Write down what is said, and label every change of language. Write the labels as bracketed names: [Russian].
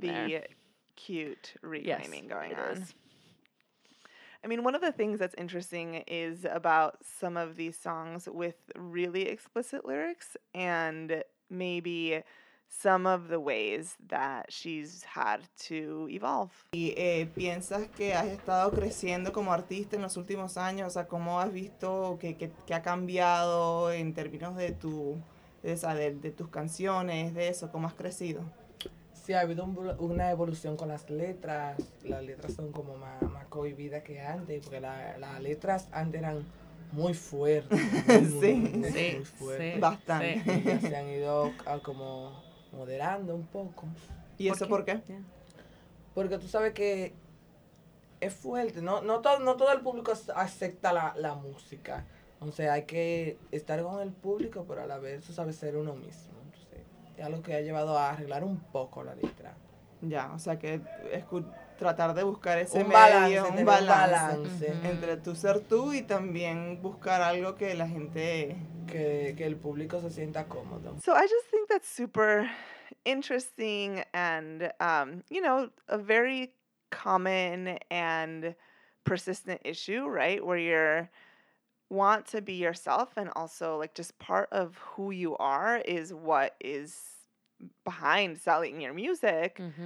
[English] there. Cute reclaiming going on. Is. I mean, one of the things that's interesting is about some of these songs with really explicit lyrics and maybe some of the ways that she's had to evolve. [Spanish] ¿Y piensas que has estado creciendo como artista en los últimos años? O sea, ¿cómo has visto que ha cambiado en términos de tus canciones, de eso? ¿Cómo has crecido? Sí, ha habido una evolución con las letras. Las letras son como más cohibidas que antes, porque las letras antes eran muy fuertes. Sí, bastante. Sí. Se han ido a como moderando un poco. ¿Y eso por qué? Porque tú sabes que es fuerte. No todo el público acepta la música. O sea, hay que estar con el público, pero a la vez tú sabes ser uno mismo. Entonces, es algo que ha llevado a arreglar un poco la letra. Ya, o sea, que es tratar de buscar ese balance. Entre tú ser tú y también buscar algo que la gente, que el público se sienta cómodo. [English] So I just think that's super interesting and, you know, a very common and persistent issue, right? Where you want to be yourself and also, like, just part of who you are is what is behind selling your music.